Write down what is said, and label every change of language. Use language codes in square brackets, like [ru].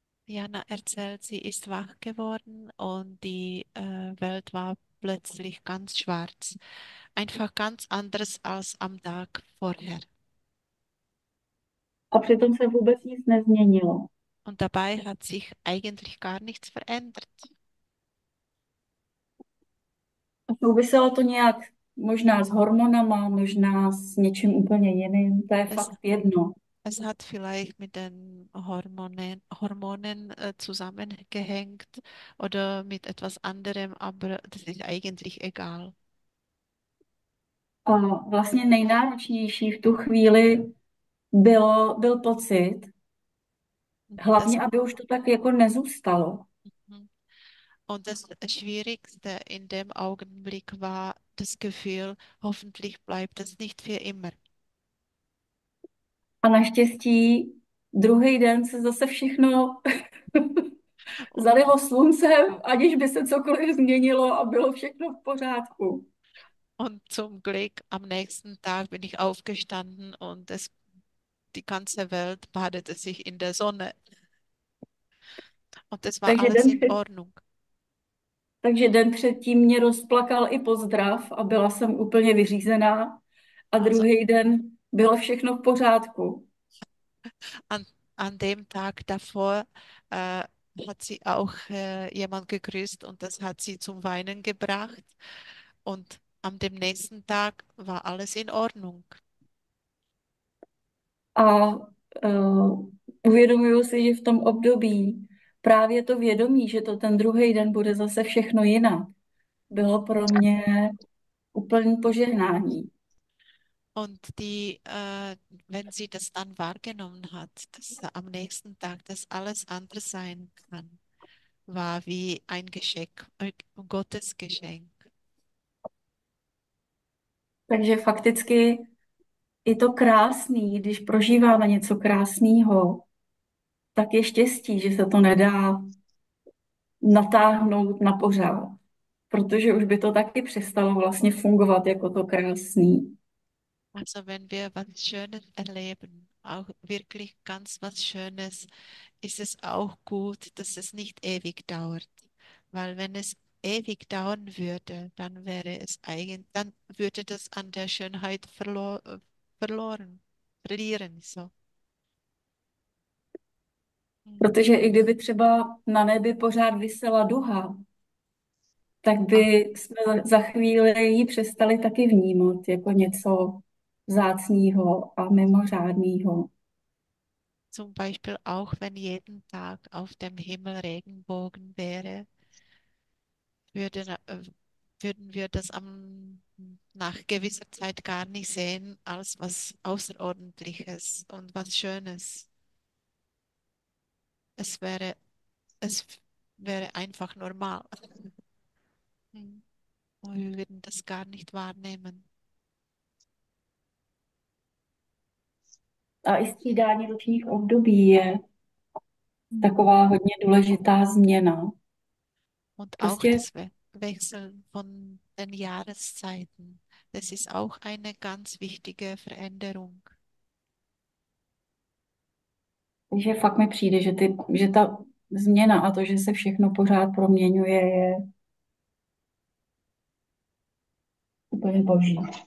[de] Jana erzählt, sie ist wach geworden und die Welt war plötzlich ganz schwarz. Einfach ganz anders als am Tag vorher. [cs] A přitom se vůbec nic nezměnilo. [de] Und dabei hat sich eigentlich gar nichts verändert. [cs] Souviselo to nějak možná s hormonama, možná s něčím úplně jiným, to je fakt jedno. [de] Es hat vielleicht mit den Hormonen zusammengehängt oder mit etwas anderem, aber das ist eigentlich egal. [cs] A vlastně nejnáročnější v tu chvíli byl pocit, hlavně aby už to tak jako nezůstalo. [de] Und das Schwierigste in dem Augenblick war das Gefühl, hoffentlich bleibt es nicht für immer. [cs] A naštěstí druhý den se zase všechno zalilo sluncem, aniž by se cokoliv změnilo a bylo všechno v pořádku. [de] Und zum Glück am nächsten Tag bin ich aufgestanden und es die ganze Welt badete sich in der Sonne. Und es war [cs] Takže [de] alles in Ordnung. [cs] den předtím mě rozplakal i pozdrav a byla jsem úplně vyřízená. A [de] Also [cs] druhý den bylo všechno v pořádku. [de] an dem Tag davor hat sie auch jemand gegrüßt und das hat sie zum Weinen gebracht. Und am dem nächsten Tag war alles in Ordnung. [cs] A uvědomuji si, že v tom období právě to vědomí, že to ten druhý den bude zase všechno jinak, bylo pro mě úplný požehnání. [de] Und die, wenn sie das dann wahrgenommen hat, dass am nächsten Tag das alles anders sein kann, war wie ein Geschenk, ein Gottesgeschenk. [cs] Takže fakticky je to krásný, když prožíváme něco krásného, tak je štěstí, že se to nedá natáhnout na pořád, protože už by to taky přestalo vlastně fungovat jako to krásný. [de] Also wenn wir was Schönes erleben, auch wirklich ganz was Schönes, ist es auch gut, dass es nicht ewig dauert. Weil wenn es ewig dauern würde, dann wäre es eigentlich, dann würde das an der Schönheit verloren, verlieren, so. [cs] Protože i kdyby třeba na nebi pořád visela duha, tak by jsme za chvíli ji přestali taky vnímat jako něco vzácného a mimořádného. [de] Zum Beispiel auch wenn jeden Tag auf dem Himmel Regenbogen wäre, würden wir das nach gewisser Zeit gar nicht sehen als was Außerordentliches und was Schönes. Es wäre einfach normal. Und wir würden das gar nicht wahrnehmen. [cs] A i střídání ročních období je taková hodně důležitá změna. [de] Und auch [cs] Prostě [de] das We Wechseln von den Jahreszeiten, das ist auch eine ganz wichtige Veränderung. [cs] že fakt mi přijde, že ta změna a to, že se všechno pořád proměňuje, je úplně boží.